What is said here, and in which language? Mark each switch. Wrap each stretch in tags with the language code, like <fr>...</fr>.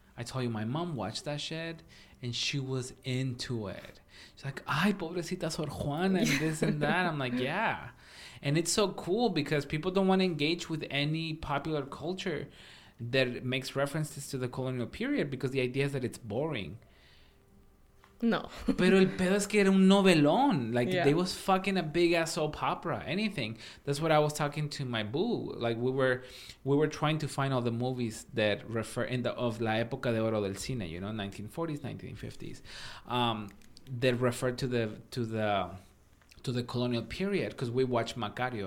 <en>I tell you, my mom watched that shit and she was into it. She's like,</en> <es>ay, pobrecita</es> <en>Sor Juana, and this and that. I'm like, yeah. And it's so cool because people don't want to engage with any popular culture that makes references to the colonial period, because the idea is that it's boring. No.</en> <es>Pero el pedo es que era un novelón.</es> <en>Like, yeah. They was fucking a big-ass soap opera, anything. That's what I was talking to my boo. Like, we were trying to find all the movies that refer in the of La Época de Oro del Cine, you know, 1940s, 1950s, that refer to the colonial period, because we watched Macario.</en>